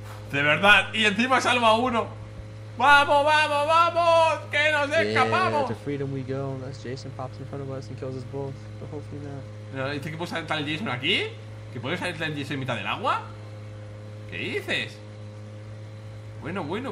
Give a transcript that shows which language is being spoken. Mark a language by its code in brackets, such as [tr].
[es] De verdad, y encima salva a uno. ¡Vamos! ¡Que nos escapamos! [en] Yeah, to freedom we go. Unless Jason pops in front of us and kills us both. But hopefully not. [es] ¿Dice que puede salir tal Jason aquí? ¿Que puede salir tal Jason en mitad del agua? ¿Qué dices? Bueno.